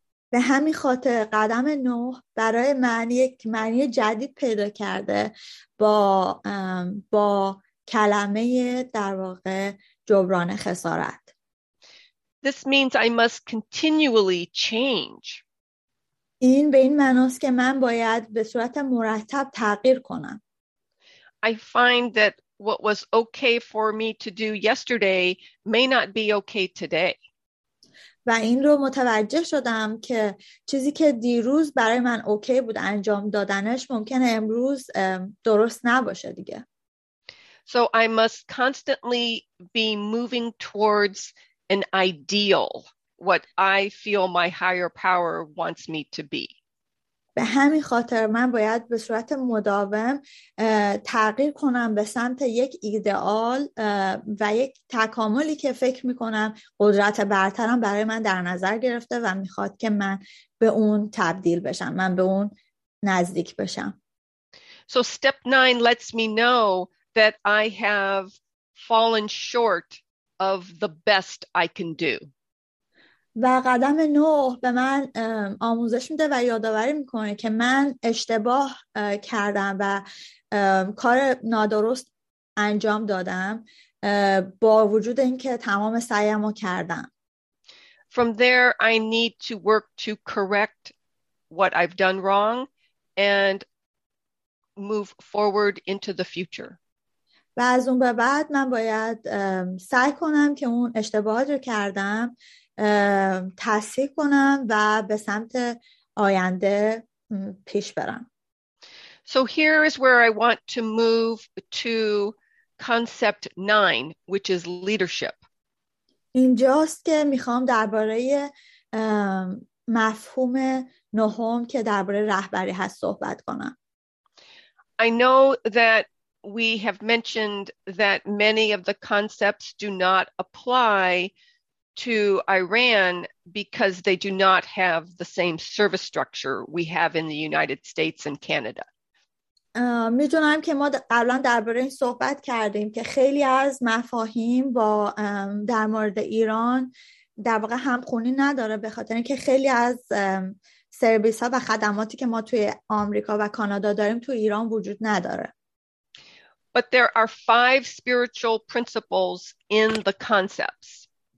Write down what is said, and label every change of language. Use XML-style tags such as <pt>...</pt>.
<fa>به همین خاطر قدم نوح برای من یک معنی جدید پیدا کرده با کلمه در واقع جبران خسارت.</fa> <en>This means I must continually change.</en> <fa>این به این معناست که من باید به صورت مرتب تغییر کنم.</fa> <en>I find that what was okay for me to do yesterday may not be okay today.</en> <fa>و این رو متوجه شدم که چیزی که دیروز برای من اوکی بود انجام دادنش ممکنه امروز درست نباشه دیگه.</fa> <en>So I must constantly be moving towards an ideal, what I feel my higher power wants me to be.</en> <fa>به همین خاطر من باید به صورت مداوم تغییر کنم به سمت یک ایدئال و یک تکاملی که فکر میکنم قدرت برترم برای من در نظر گرفته و میخواد که من به اون تبدیل بشم، من به اون نزدیک بشم.</fa> <en>So step 9 lets me know that I have fallen short of the best I can do.</en> <fa>و قدم نوح به من آموزش میده و یادآوری میکنه که من اشتباه کردم و کار نادرست انجام دادم با وجود اینکه تمام سعیم رو کردم.</fa> <en>From there, I need to work to correct what I've done wrong and move forward into the future.</en> <fa>و از اون به بعد من باید سعی کنم که اون اشتباهات رو کردم تصحیح کنم و به سمت آینده پیش برم.</fa> <en>So here is where I want to move to concept 9, which is leadership.</en> <fa>اینجاست که میخوام درباره مفهوم نهم که درباره رهبری هست صحبت کنم.</fa> <en>I know that we have mentioned that many of the concepts do not apply to Iran because they do not have the same service structure we have in the United States and Canada.</en> <fa>می‌دونم که ما قبلا درباره این صحبت کردیم که خیلی از مفاهیم با در مورد ایران در واقع همخونی نداره به خاطر اینکه خیلی از سرویس‌ها و خدماتی که ما توی آمریکا و کانادا داریم توی ایران وجود نداره.</fa> <en>But there are 5 spiritual principles in the concepts.</en>